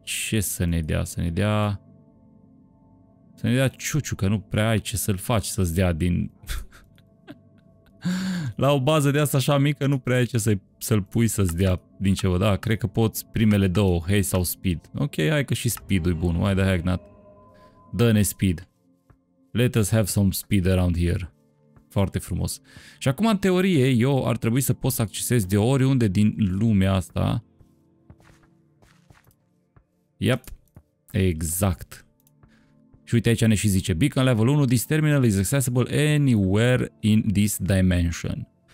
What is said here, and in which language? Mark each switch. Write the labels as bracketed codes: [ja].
[ro] Ce să ne dea? Să ne dea... Să ne dea ciuciu, că nu prea ai ce să-l faci să-ți dea din... La o bază de asta așa mică, nu prea ai ce să-l pui să-ți dea din ceva. Da, cred că poți primele două, hay sau speed. Ok, hai că și speed-ul e bun. [en] Why the heck not? [ro] Dă-ne [en] speed. Let us have some speed around here. [ro] Foarte frumos. Și acum, în teorie, eu ar trebui să pot să accesez de oriunde din lumea asta. [en] Yep. [ro] Exact. Și uite aici ne și zice, [en] beacon level 1, this terminal is accessible anywhere in this dimension.